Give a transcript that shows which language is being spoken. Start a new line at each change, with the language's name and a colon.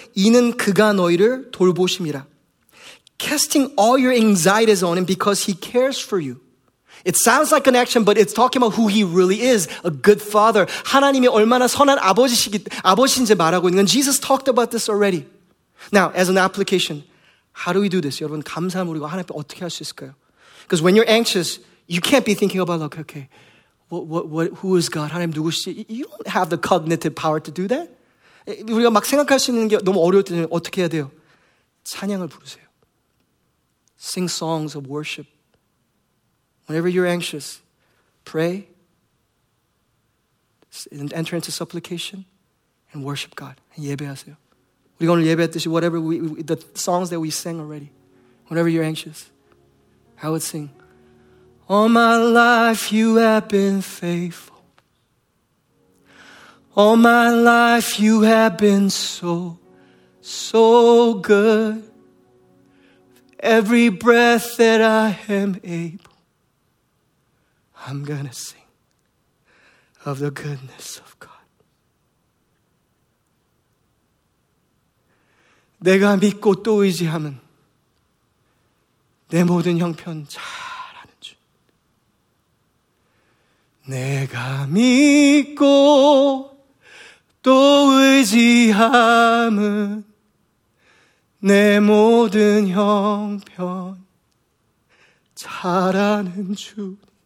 Korean: 이는 그가 너희를 돌보심이라.
English: Casting all your anxieties on him because he cares for you. It sounds like an action, but it's talking about who he really is, a good father.
Korean: 하나님이 얼마나 선한 아버지인지 말하고 있는 건
English: Jesus talked about this already. Now, as an application, how do we do this?
Korean: 여러분, 감사함 우리가 하나님 앞에 어떻게 할 수 있을까요?
English: Because when you're anxious, you can't be thinking about, like, okay, who is God?
Korean: 하나님 누구시지?
English: You don't have the cognitive power to do that.
Korean: 우리가 막 생각할 수 있는 게 너무 어려울 때는 어떻게 해야 돼요? 찬양을 부르세요.
English: Sing songs of worship. Whenever you're anxious, pray and enter into supplication and worship God.
Korean: 예배하세요. 우리가 오늘 예배했듯이
English: whatever the songs that we sang already. Whenever you're anxious, I would sing. All my life you have been faithful. All my life you have been so, so good. Every breath that I am able. I'm gonna sing of the goodness of God.
Korean: 내가 믿고 또 의지함은 내 모든 형편 잘 아는 주. 내가 믿고 또 의지함은 내 모든 형편 잘 아는 주.